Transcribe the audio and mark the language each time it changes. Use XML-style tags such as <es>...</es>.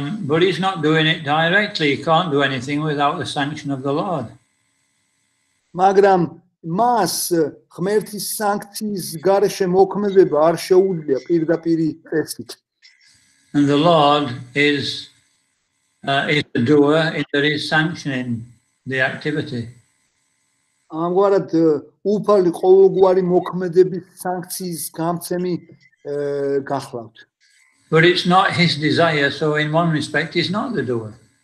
<en>But he's not doing it directly, he can't do anything without the sanction of the Lord.</en> <ka>მაგრამ მას ღმერთის სანქციის გარეშე მოქმედება არ შეუძლია პირდაპირ წესით.</ka> <en>And the Lord is the doer and there is sanctioning the activity.</en> <ka>ამგვარად უფალი ყოველგვარი მოქმედების სანქციის გამცემი გახლავთ.</ka> <en>But it's not his desire, so in one respect he's not the doer.</en>